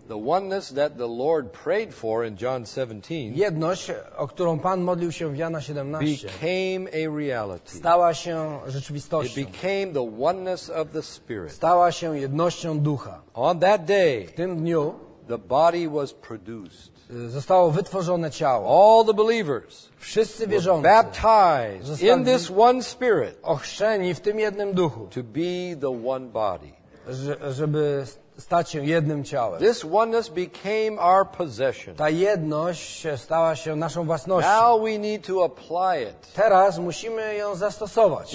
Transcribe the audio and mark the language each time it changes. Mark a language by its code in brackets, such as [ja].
[en] the oneness that the Lord prayed for in John 17, [pl] jedność, o którą Pan modlił się w Jana 17, [en] became a reality. [pl] Stała się rzeczywistością. [en] It became the oneness of the Spirit. [pl] Stała się jednością ducha. [en] On that day, [pl] w tym dniu, [en] the body was produced. [pl] Zostało wytworzone ciało. [en] All the believers, [pl] wszyscy wierzący, [en] baptized in this one Spirit, [pl] ochrzczeni w tym jednym duchu, [en] to be the one body. [pl] Żeby stać się jednym ciałem. [en] This oneness became our possession. [pl] Ta jedność stała się naszą własnością. [en] Now we need to apply it. [pl] Teraz musimy ją zastosować.